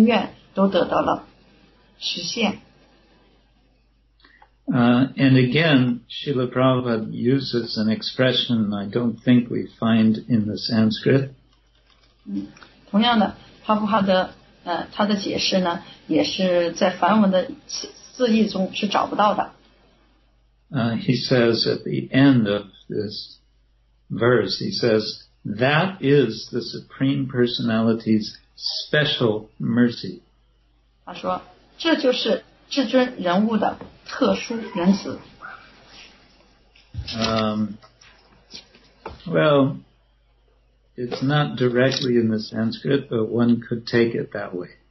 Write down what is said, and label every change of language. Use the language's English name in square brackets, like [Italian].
[Chinese] 主的庇护给予我们满足，使我们的所有的心愿都得到了实现。 [English] And again, Srila Prabhupada uses an expression I don't think we find in the Sanskrit. [Chinese] 同样的，帕布哈德。他的解释呢也是在梵文的字义中是找不到的。 [English] He says at the end of this verse, he says, that is the Supreme Personality's special mercy. [Chinese] 他说这就是至尊人物的特殊仁慈。 [English] Well, it's not directly in the Sanskrit, but one could take it that way.